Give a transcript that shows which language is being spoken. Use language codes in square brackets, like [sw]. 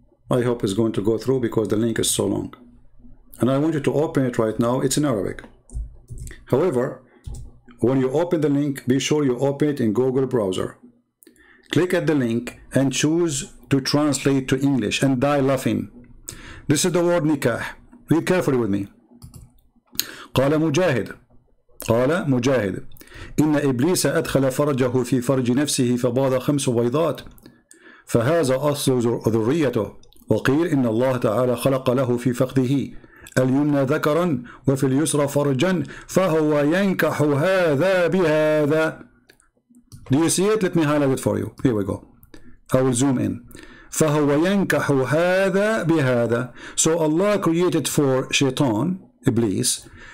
[en] I hope it's going to go through because the link is so long. And I want you to open it right now. It's in Arabic. However, when you open the link, be sure you open it in Google browser. Click at the link and choose to translate to English and die laughing. This is the word nikah. Read carefully with me. [ar] قال مجاهد قال مجاهد إن إبليس أدخل فرجه في فرج نفسه فباض 5 بيضات فهذا أصل ذريته وقيل إن الله تعالى خلق له في فخذه اليمنى ذكرا وفي اليسرى فرجا فهو ينكح هذا بهذا. [en] Do you see it? Let me highlight it for you. Here we go. I will zoom in. [ar] فهو ينكح هذا بهذا. [en] So Allah created for Shaitan, Iblis,